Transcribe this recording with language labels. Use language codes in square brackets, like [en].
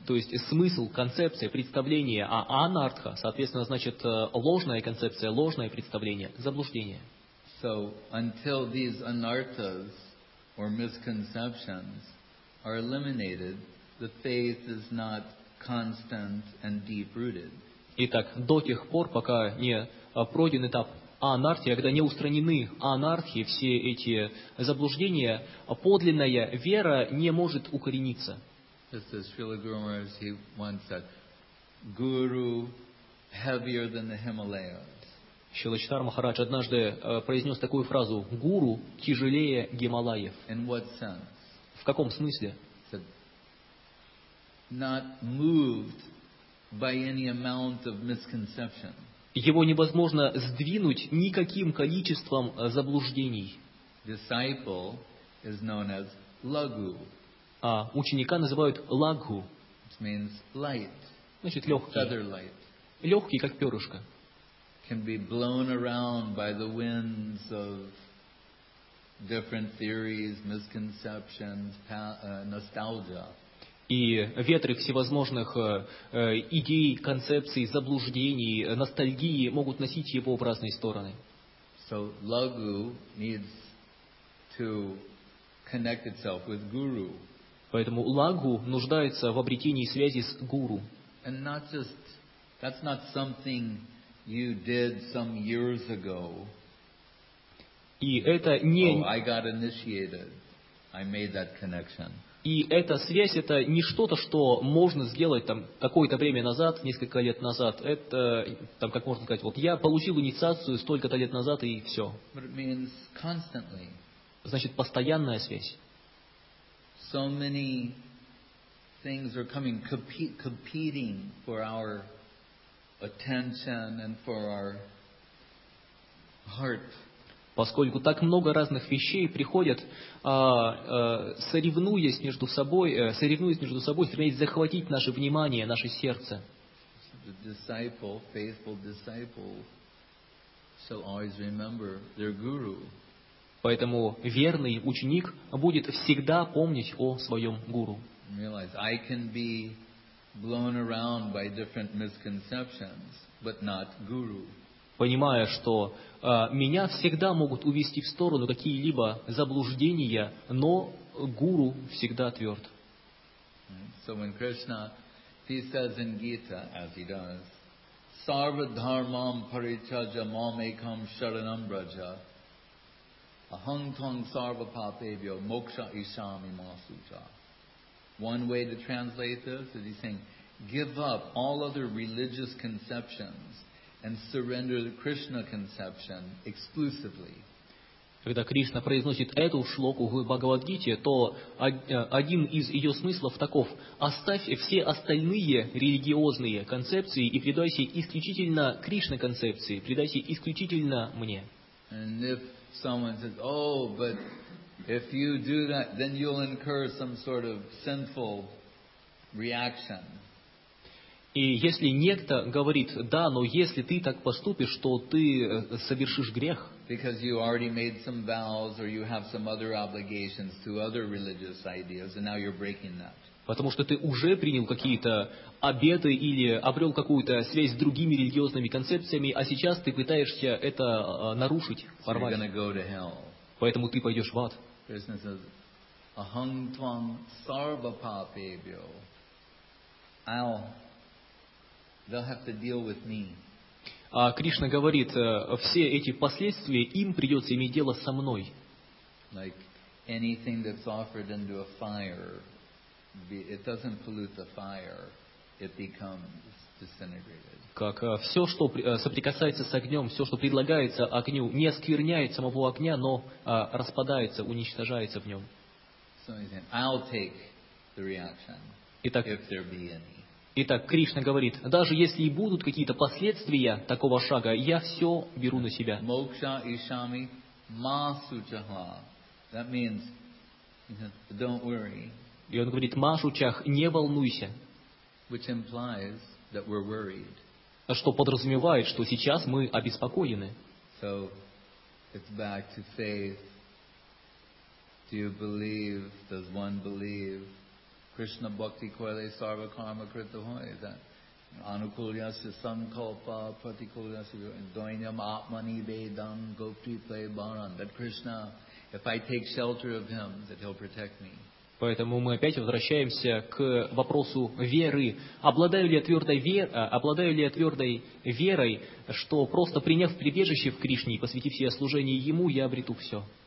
[ru] То есть смысл, концепция, представление, а анартха, соответственно, значит ложная концепция, ложное представление, заблуждение. [en] So until these anarthas or misconceptions are eliminated, the faith is not constant and deep-rooted. [ru] Итак, до тех пор, пока не пройден этап анартхи, когда не устранены анартхи, все эти заблуждения, подлинная вера не может укорениться. [en] Just as Srila Guru Maharaj, he once said, Guru heavier than the Himalayas. [ru] Srila Chaitanya Maharaj однажды произнес такую фразу, Гуру тяжелее Гималаев. [en] In what sense? [ru] В каком смысле? [en] Not moved by any amount of misconception. [ru] Его невозможно сдвинуть никаким количеством заблуждений. [en] Disciple is known as lagu. [ru] А ученика называют лагу. [en] means light. [ru] Значит, легкий. Легкий, как перышко. [en] Can be blown around by the winds of different theories, misconceptions, nostalgia. [ru] И ветры всевозможных идей, концепций, заблуждений, ностальгии могут носить его в разные стороны. [en] So lagu needs to connect itself with guru. [ru] Поэтому лагу нуждается в обретении связи с гуру. [en] And not just that's not something you did some years ago. [ru] И это не. [en] Oh, I got initiated. I made that connection. [ru] И эта связь это не что-то, что можно сделать там какое-то время назад, несколько лет назад. Это там как можно сказать, вот я получил инициацию столько-то лет назад и все. [en] But it means constantly. [ru] Значит, постоянная связь. [en] So many things are coming competing for our attention and for our heart. [ru] Поскольку так много разных вещей приходят, соревнуясь между собой, стремясь захватить наше внимание, наше сердце. [en] The disciple, faithful disciple, shall always remember their guru. [ru] Поэтому верный ученик будет всегда помнить о своем гуру. [en] Realize, I can be blown around by different misconceptions, but not guru. [ru] Понимая, что меня всегда могут увести в сторону какие-либо заблуждения, но гуру всегда тверд. [en] So when Krishna, he says in Gita, as he does, [sa] Sarva dharmam parichaja mam ekam sharanam braja ahang tong sarva papevyo moksha ishami masuja. [en] One way to translate this is he's saying, give up all other religious conceptions and surrender the Krishna conception exclusively. [ru] Когда Кришна произносит эту шлоку в Бхагавадгите, то один из ее смыслов таков: оставь все остальные религиозные концепции и предайся исключительно Кришна концепции, предайся исключительно мне. [en] And if someone says, oh, but if you do that, then you'll incur some sort of sinful reaction. [ru] И если некто говорит, да, но если ты так поступишь, то ты совершишь грех. [en] Because you already made some vows or you have some other obligations to other religious ideas, and now you're breaking that. [ru] Потому что ты уже принял какие-то обеты или обрел какую-то связь с другими религиозными концепциями, а сейчас ты пытаешься это нарушить, порвать. [en] You're gonna go to hell. [ru] Поэтому ты пойдешь в ад. [en] Krishna says, [sa] Ahang tvam sarva papebhyo. [en] They'll have to deal with me. [ru] А Кришна говорит, все эти последствия им придется иметь дело со мной. [en] Like anything that's offered into a fire, it doesn't pollute the fire, it becomes disintegrated. [ru] Как все, что соприкасается с огнем, все, что предлагается огню, не оскверняет самого огня, но распадается, уничтожается в нем. [en] So I'll take the reaction, [ru] Итак, [en] if there be any. [ru] Итак, Кришна говорит, даже если и будут какие-то последствия такого шага, я все беру на себя. [sa] Мокша ишами масучаха. [en] That means, don't worry. [ru] И он говорит, масучах, не волнуйся. [en] Which implies that we're worried. [ru] Что подразумевает, что сейчас мы обеспокоены. [en] So, it's back to faith. Do you believe? Does one believe? [bn] Krishna bhakti koile sarva karma krita hoy, [en] that [sa] anukulyasya sankalpa pratikulyasya dvainyam atmani vedam gopti play baran, [en] that Krishna, if I take shelter of him, that he'll protect me. [ru] Поэтому мы опять возвращаемся к вопросу веры. Обладаю ли я твердой верой, что просто приняв прибежище в Кришне и посвятив себя служению ему, я обрету все.